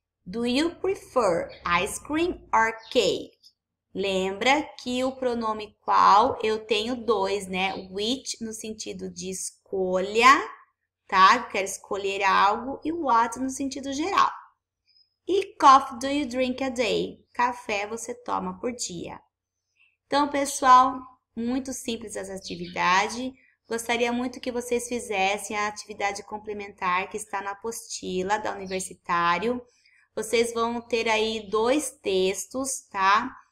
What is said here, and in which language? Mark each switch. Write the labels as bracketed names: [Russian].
[English] Do you prefer ice cream or cake? [Portuguese] Lembra que o pronome qual eu tenho dois, né? Which no sentido de escolha, tá? Quero escolher algo e o what no sentido geral. [English] E coffee do you drink a day? [Portuguese] Café você toma por dia. Então, pessoal, muito simples essa atividade. Gostaria muito que vocês fizessem a atividade complementar que está na apostila da Universitário. Vocês vão ter aí dois textos, tá?